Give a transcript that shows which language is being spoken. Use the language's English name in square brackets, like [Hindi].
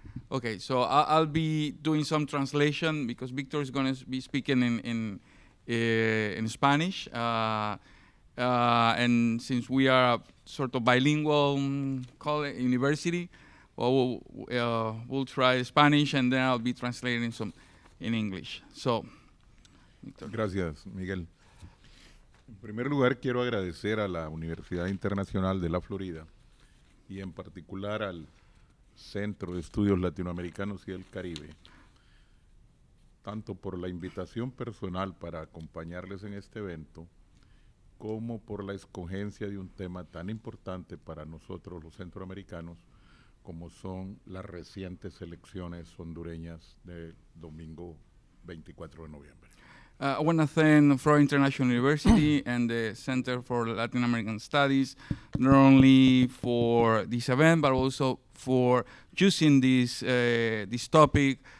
[English] Okay, so I'll be doing some translation because Victor is going to be speaking in Spanish, and since we are a sort of bilingual college university, well, we'll try Spanish and then I'll be translating some in English. So, [Spanish] Victor. Gracias, Miguel. En primer lugar, quiero agradecer a la Universidad Internacional de la Florida y en particular al Centro de Estudios Latinoamericanos y del Caribe, tanto por la invitación personal para acompañarles en este evento, como por la escogencia de un tema tan importante para nosotros los centroamericanos como son las recientes elecciones hondureñas del domingo 24 de noviembre. [English] I want to thank Florida International University and the Center for Latin American Studies, not only for this event, but also for choosing this topic.